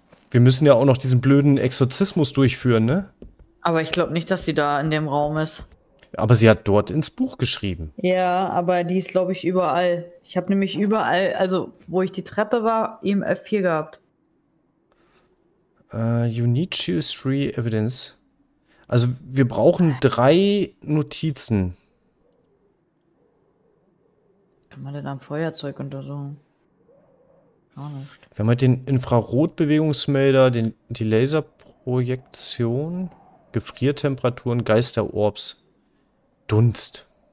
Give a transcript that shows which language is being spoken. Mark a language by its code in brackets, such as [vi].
[de] Wir müssen ja auch noch diesen blöden Exorzismus durchführen, ne? Aber ich glaube nicht, dass sie da in dem Raum ist. Aber sie hat dort ins Buch geschrieben. Ja, aber die ist, glaube ich, überall. Ich habe nämlich überall, also wo ich die Treppe war, im F4 gehabt. [en] You need to choose 3 evidence. [de] Also, wir brauchen 3 Notizen. Kann man denn am Feuerzeug untersuchen? Gar nicht. Wir haben halt den Infrarotbewegungsmelder, die Laserprojektion, Gefriertemperaturen, Geisterorbs, Dunst.